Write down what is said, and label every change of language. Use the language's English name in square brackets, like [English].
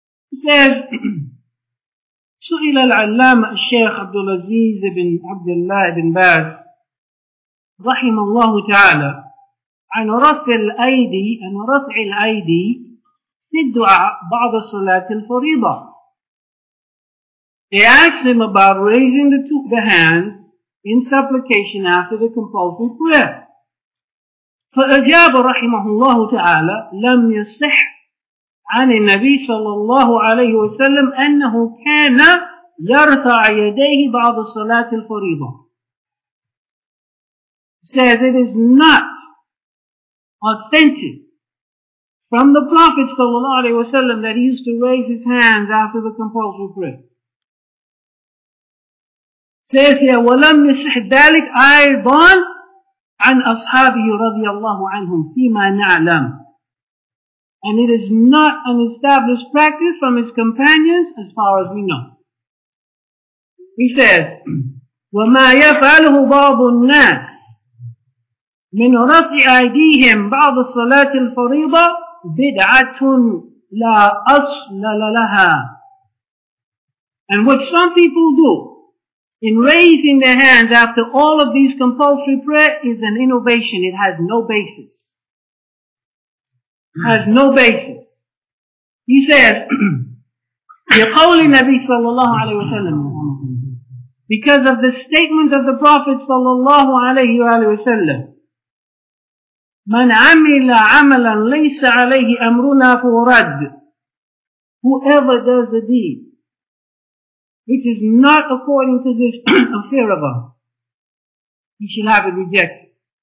[English] He says, [Arabic] سُئِلَ الْعَلَّامَ الشَّيْخ عَبْدُ الْعَزِيزِ بِنْ عَبْدِ اللَّهِ بِنْ بَاسِ رَحِمَ اللَّهُ تَعَالَى عَنْ رَفْعِ الْأَيْدِي عَنْ رَفْعِ الْأَيْدِي فِي الدُّعَى بَعْضَ صَلَاةِ الْفَرِيضَةِ. [English] They asked him about raising the hands in supplication after the compulsory prayer. [Arabic] فَأَجَابَ رَحِمَهُ اللَّهُ تَعَالَى لَمْ يَصِحْ عن النبي صلى الله عليه وسلم أنه كان يرفع يديه بعض صلاة الفريضة. [English] Says it is not authentic from the Prophet صلى الله عليه وسلم that he used to raise his hands after the compulsory prayer. Says here, [Arabic] ولم يصح ذلك أيضا عن أصحابه رضي الله عنهم فيما نعلم. [English] And it is not an established practice from his companions as far as we know. He says, [Arabic] وَمَا يَفْعَلْهُ بَعْضُ النَّاسِ مِنْ رَفْعِ أَيْدِيهِمْ بَعْضُ الصَّلَاةِ الْفَرِيضَةِ بِدْعَةٌ لَا أَصْلَ لَهَا. [English] And what some people do in raising their hands after all of these compulsory prayer is an innovation. It has no basis. Has no basis. He says, [Arabic] يقول النبي صلى الله عليه وسلم, [English] because of the statement of the Prophet [Arabic] صلى الله عليه وسلم, من عمل عملا ليس عليه أمرنا فهو رد. [English] Whoever does a deed which is not according to this affair of Allah, he shall have it rejected.